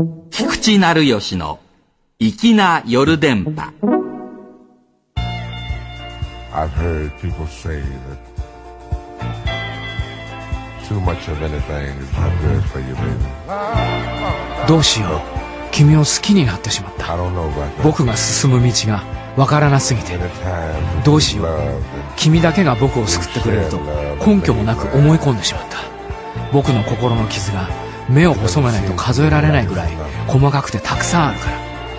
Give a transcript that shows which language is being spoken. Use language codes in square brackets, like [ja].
[ja] 吉なるよしの粋な夜電波。 [en] I've heard people say that too much of anything is not good for you, baby. [ja] どうしよう、君を好きになってしまった。 [en] I don't know about that. [ja] 僕が進む道がわからなすぎて、どうしよう、君だけが僕を救ってくれると根拠もなく思い込んでしまった。僕の心の傷が目を細めないと数えられないぐらい細かくてたくさんあるから。